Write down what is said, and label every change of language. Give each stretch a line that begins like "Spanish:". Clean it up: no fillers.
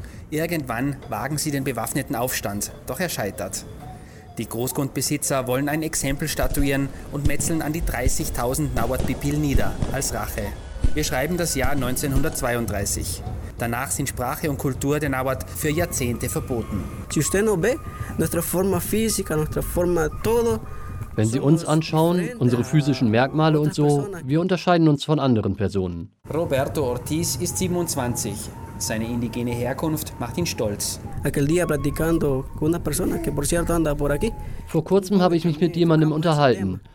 German: Irgendwann wagen sie den bewaffneten Aufstand, doch er scheitert. Die Großgrundbesitzer wollen ein Exempel statuieren und metzeln an die 30.000 Nahuatl-Pipil nieder, als Rache. Wir schreiben das Jahr 1932. Danach sind Sprache und Kultur der Nahuatl für Jahrzehnte verboten.
Spanish: Si usted no ve, nuestra forma física, nuestra forma todo.
German: Wenn Sie uns anschauen, unsere physischen Merkmale und so, wir unterscheiden uns von anderen Personen. Roberto Ortiz ist 27. Seine indigene Herkunft macht ihn stolz. Vor kurzem habe ich mich mit jemandem unterhalten.